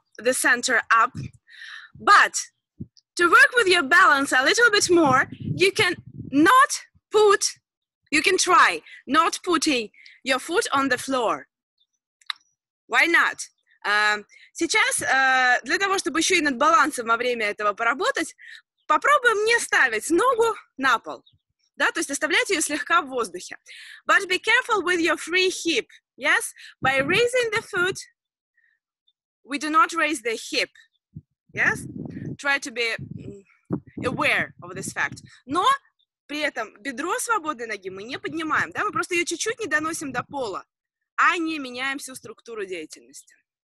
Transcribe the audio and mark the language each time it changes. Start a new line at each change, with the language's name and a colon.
English: Center up, but to work with your balance a little bit more, you can not put, you can try not putting your foot on the floor. Why not?
Russian: Сейчас для того, чтобы еще и над балансом во время этого поработать, попробуем не ставить ногу на пол, да, то есть оставлять ее слегка в воздухе.
English: But be careful with your free hip, yes? By raising the foot, we do not raise the hip, yes? Try to be aware of this fact.
Russian: Но при этом бедро свободной ноги мы не поднимаем, да? Мы просто ее чуть-чуть не доносим до пола, а не меняем всю структуру деятельности.